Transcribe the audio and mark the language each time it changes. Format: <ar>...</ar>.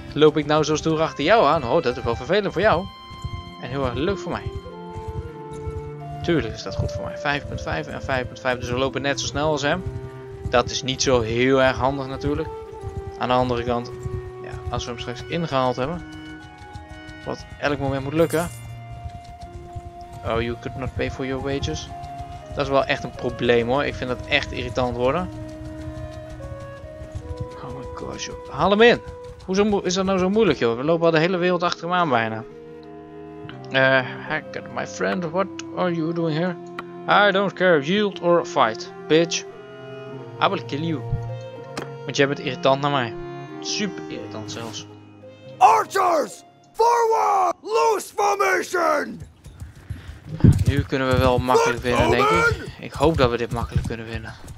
<nl>Loop ik nou zo stoer achter jou aan? Oh, dat is wel vervelend voor jou. En heel erg leuk voor mij. Tuurlijk is dat goed voor mij. 5.5 en 5.5, dus we lopen net zo snel als hem. Dat is niet zo heel erg handig natuurlijk. Aan de andere kant, ja, als we hem straks ingehaald hebben... Wat elk moment moet lukken.</nl> <en>Oh, you could not pay for your wages.</en> <nl>Dat is wel echt een probleem hoor. Ik vind dat echt irritant worden.</nl> <en>Oh my gosh,</en> <nl>joh. Haal hem in. Hoezo is dat nou zo moeilijk joh? We lopen al de hele wereld achter hem aan bijna.</nl> <en>Hacker, my friend, what are you doing here? I don't care, yield or fight, bitch. I will kill you.</en> <nl>Want jij bent irritant naar mij. Super irritant zelfs.</nl> <en>Archers! Forward! Loose formation!</en> <nl>Nu kunnen we wel makkelijk winnen, denk ik. Ik hoop dat we dit makkelijk kunnen winnen.</nl>